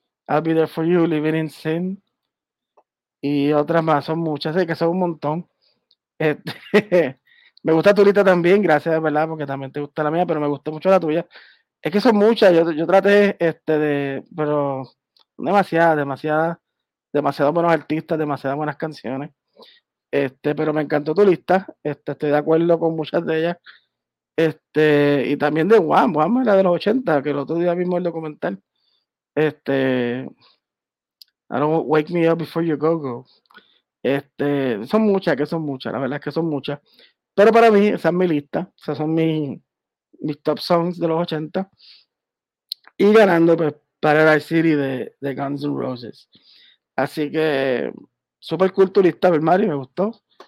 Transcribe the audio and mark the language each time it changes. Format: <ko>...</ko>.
<en>I'll Be There for You, Living in Sin.</en> <es>Y otras más, son muchas, sé que son un montón. Me gusta tu lista también, gracias, ¿verdad? Porque también te gusta la mía, pero me gusta mucho la tuya. Es que son muchas, yo traté de, pero demasiados buenos artistas, demasiadas buenas canciones. Pero me encantó tu lista. Estoy de acuerdo con muchas de ellas. Y también de Wham, Wham era de los 80, que el otro día vimos el documental.</es> <en>I don't wake me up before you go go.</en> <es>Son muchas, que son muchas, la verdad es que son muchas. Pero para mí, esa es mi lista, esas son mis</es> <en>top songs</en> <es>de los 80. Y ganando, pues, Paradise City de Guns N' Roses. Así que, súper cool tu lista, Mario, me gustó.</es>